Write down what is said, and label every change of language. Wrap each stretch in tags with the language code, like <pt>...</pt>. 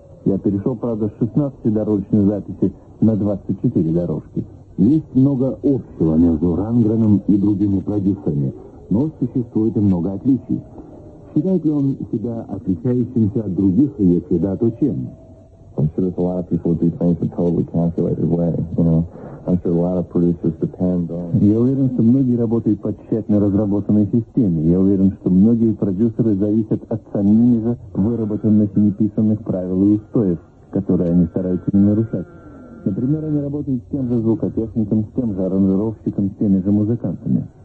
<ru>Я перешел, правда, с 16 дорожечной записи на 24 дорожки. Есть много общего между Рангреном и другими продюсерами, но существует и много отличий. Считает ли он себя отличающимся от других, и если да, то чем?</ru> <en>I'm sure a lot of people do things in a totally calculated way, you know. I'm sure a lot of producers depend on...</en> <ru>Я уверен, что многие работают по тщательно разработанной системе. Я уверен, что многие продюсеры зависят от самих же выработанных и неписанных правил и устоев, которые они стараются не нарушать. Например, они работают с тем же звукотехником, с тем же аранжировщиком, с теми же музыкантами.</ru>